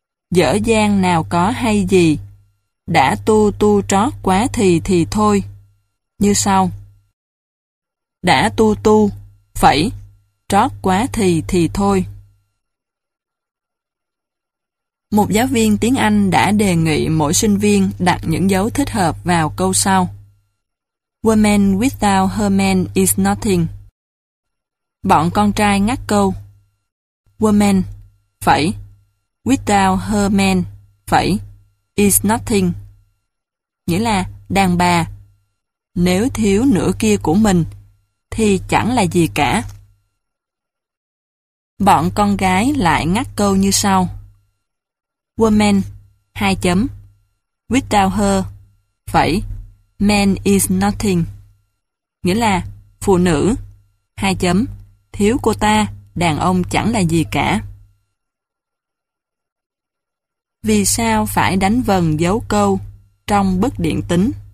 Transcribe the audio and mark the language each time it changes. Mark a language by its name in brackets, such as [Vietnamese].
[Vietnamese] Dở dang nào có hay gì, đã tu tu trót quá thì thôi. Như sau. Đã tu tu, phẩy, trót quá thì thôi. Một giáo viên tiếng Anh đã đề nghị mỗi sinh viên đặt những dấu thích hợp vào câu sau. [English] Woman without her man is nothing. [Vietnamese] Bọn con trai ngắt câu. [English] Woman, [Vietnamese] phẩy, [English] without her man, phẩy, is nothing. [Vietnamese] Nghĩa là đàn bà, nếu thiếu nửa kia của mình, thì chẳng là gì cả. Bọn con gái lại ngắt câu như sau. [English] Woman, [Vietnamese] hai chấm, [English] without her, phẩy, man is nothing. [Vietnamese] Nghĩa là phụ nữ, hai chấm, thiếu cô ta, đàn ông chẳng là gì cả. Vì sao phải đánh vần dấu câu trong bức điện tính?